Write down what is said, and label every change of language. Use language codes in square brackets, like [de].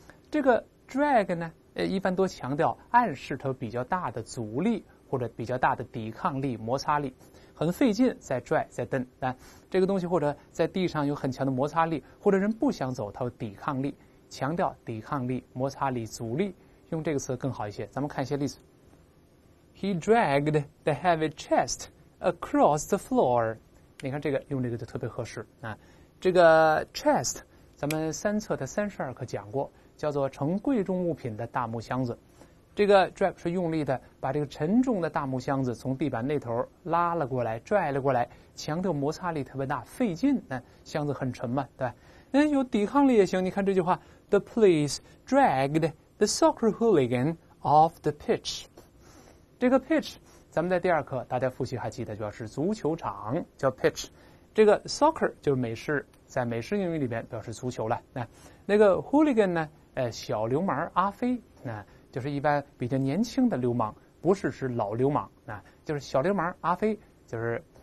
[zh] 这个 drag 呢一般多强调暗示它比较大的阻力或者比较大的抵抗力摩擦力，很费劲在拽在蹬，但这个东西或者在地上有很强的摩擦力，或者人不想走它有抵抗力，强调抵抗力摩擦力阻力，用这个词更好一些。咱们看一些例子。 [en] He dragged the heavy chest across the floor， [zh] 你看这个用这个就特别合适啊。这个 chest 咱们三册的32课讲过，叫做盛贵重物品的大木箱子。这个 drag 是用力的把这个沉重的大木箱子从地板那头拉了过来拽了过来，强调摩擦力特别大费劲，箱子很沉嘛，对吧？有抵抗力也行，你看这句话 [en] The police dragged the soccer hooligan off the pitch。 [zh] 这个 pitch 咱们在第二课大家复习还记得，就是足球场叫 pitch， 这个 soccer 就是美式，在美式英语里面表示足球了。那个 hooligan 呢，小流氓阿飞，就是一般比较年轻的流氓，不是指老流氓，就是小流氓阿飞，就是